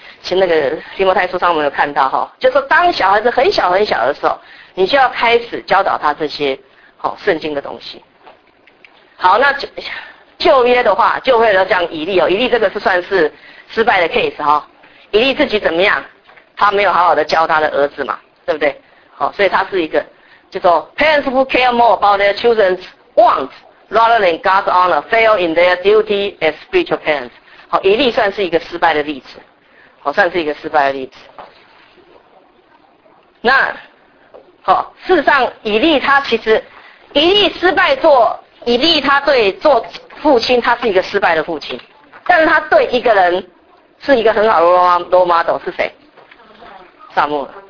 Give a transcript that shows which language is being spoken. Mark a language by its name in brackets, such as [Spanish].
[Chinese] 其实那个提摩太书上我们有看到哈，就是当小孩子很小很小的时候，你就要开始教导他这些好圣经的东西。好，那旧约的话，旧约的讲以利哦，以利这个是算是失败的 case 哈。以利自己怎么样？他没有好好的教他的儿子嘛，对不对？好，所以他是一个叫做 [English] parents who care more about their children's wants rather than God's honor fail in their duty as spiritual parents。 [Chinese] 好，以利算是一个失败的例子。好，算是一个失败的例子。那好，事实上以利他其实以利失败做以利他对做父亲他是一个失败的父亲，但是他对一个人是一个很好的 role model 是谁？撒母耳。